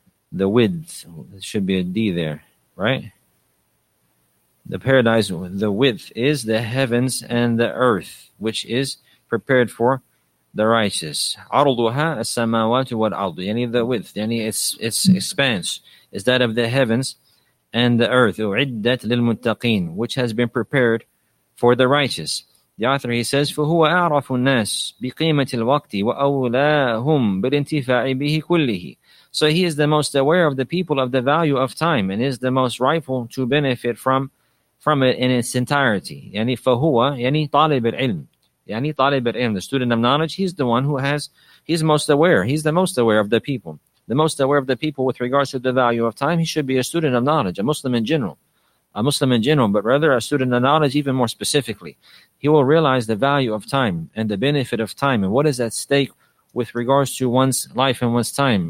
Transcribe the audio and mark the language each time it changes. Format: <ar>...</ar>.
<en>The width, it should be a D there, right? The paradise, the width is the heavens and the earth, which is prepared for the righteous.</en> <ar>عَرْضُهَا السَّمَاوَاتُ وَالْأَرْضُ.</ar> <en>Any the width, any its expanse is that of the heavens and the earth.</en> <ar>أُعِدَّتْ لِلْمُتَّقِينَ,</ar> <en>which has been prepared for the righteous. The author, he says,</en> <ar>فَهُوَ أَعْرَفُ النَّاسِ بِقِيمَةِ الْوَقْتِ وَأَوْلَاهُمْ بِالْإِنْتِفَاعِ بِهِ كُلِّهِ.</ar> <en>So he is the most aware of the people of the value of time and is the most rightful to benefit from it in its entirety.</en> <ar>يعني فَهُوَ يعني طالب العلم.</ar> <en>يعني</en> <ar>طالب العلم,</ar> <en>the student of knowledge, he's the one who has, he's most aware. He's the most aware of the people. The most aware of the people with regards to the value of time, he should be a student of knowledge, a Muslim in general. A Muslim in general, but rather a student of knowledge even more specifically. He will realize the value of time and the benefit of time and what is at stake with regards to one's life and one's time.</en>